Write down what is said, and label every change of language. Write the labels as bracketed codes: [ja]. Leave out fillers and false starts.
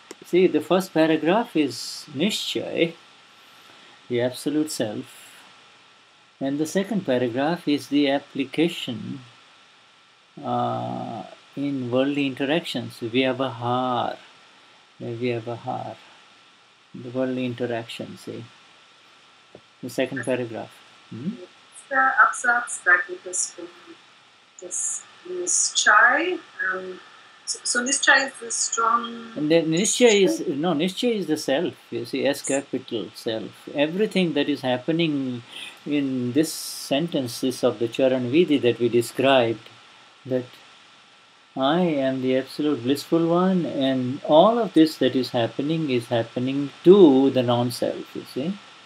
[en] See, the first paragraph is Nishchay, the absolute self. And the second paragraph is the application in worldly interactions, Vyavahar, the worldly interactions, see. The second paragraph. [de] Der Absatz, da geht es um das Nishchay. [en] So Nishchay is the strong... And then Nishchay is, no, Nishchay is the self, you see, S capital, self. Everything that is happening in this sentences of the Charanvidhi that we described, that I am the absolute blissful one, and all of this that is happening to the non-self, you see.